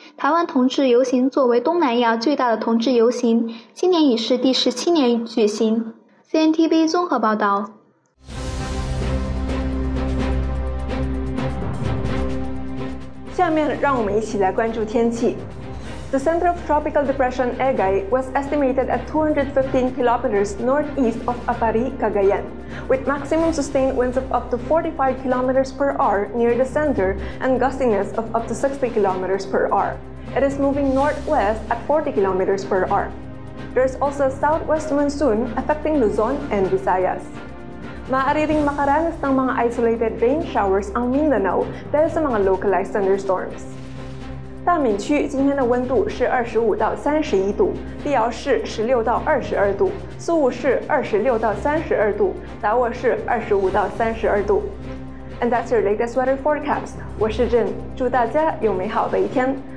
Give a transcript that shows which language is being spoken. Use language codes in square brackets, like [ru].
[zh] 台湾同志游行作为东南亚最大的同志游行，今年已是第17年举行。 CNTV 综合报道。下面让我们一起来关注天气。 [en] The center of tropical depression Egay was estimated at 215 kilometers northeast of Atari, Cagayan, with maximum sustained winds of up to 45 kilometers per hour near the center and gustiness of up to 60 kilometers per hour. It is moving northwest at 40 kilometers per hour. There is also a southwest monsoon affecting Luzon and Visayas. [tl] Maaari ring makaranas ng mga isolated rain showers ang Mindanao dahil sa mga localized thunderstorms. [zh] 大闽区今天的温度是25到31度，利瑶市16到22度，苏武市26到32度，达沃市25到32度。 [en] And that's your latest weather forecast. [zh] 我是 Jen, 祝大家有美好的一天。